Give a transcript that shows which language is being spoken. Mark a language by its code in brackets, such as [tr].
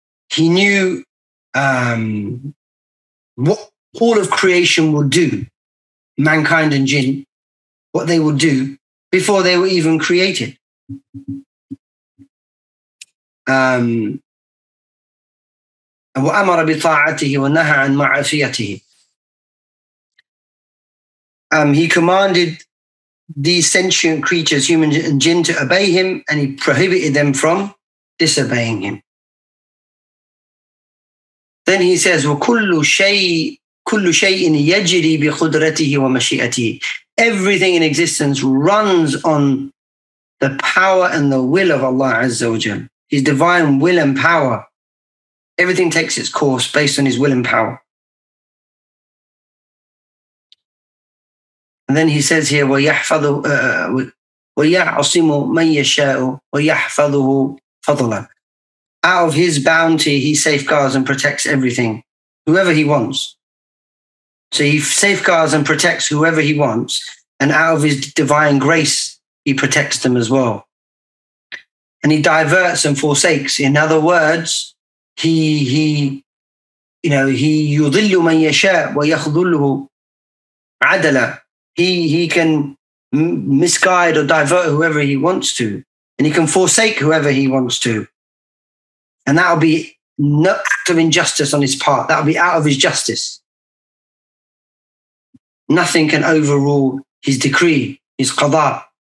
[en] He knew what all of creation would do, mankind and jinn, what they would do before they were even created. [ar] وأمر بطاعته ونهى عن معصيته. [en] He commanded these sentient creatures, humans and jinn, to obey him, and he prohibited them from disobeying him. Then he says, [ar] وكل شيء يجري بقدرته ومشيئته. [en] Everything in existence runs on the power and the will of Allah Azza wa Jal. His divine will and power. Everything takes its course based on his will and power. And then he says here, [ar] وَيَعْصِمُ مَنْ يَشَاءُ وَيَحْفَظُهُ فَضْلًا. [en] Out of his bounty, he safeguards and protects everything, whoever he wants. So he safeguards and protects whoever he wants. And out of his divine grace, he protects them as well. And he diverts and forsakes. In other words, he [ar] يضل من يشاء ويخذله عدلا. [en] He can misguide or divert whoever he wants to, and he can forsake whoever he wants to. And that'll be no act of injustice on his part. That'll be out of his justice. Nothing can overrule his decree, his qadha.